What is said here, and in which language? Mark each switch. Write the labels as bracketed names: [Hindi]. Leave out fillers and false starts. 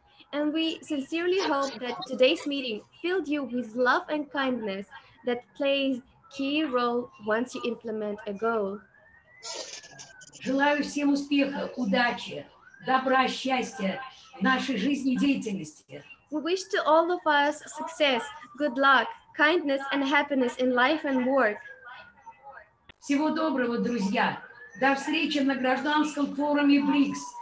[English] And we sincerely hope that today's meeting filled you with love and kindness that plays key role once you implement a goal. [Russian] Желаю всем успеха, удачи, добра, счастья в нашей жизни, деятельности. [English] We wish to all of us success, good luck, kindness and happiness in life and work. [Russian] Всего доброго, друзья. До встречи на гражданском форуме BRICS.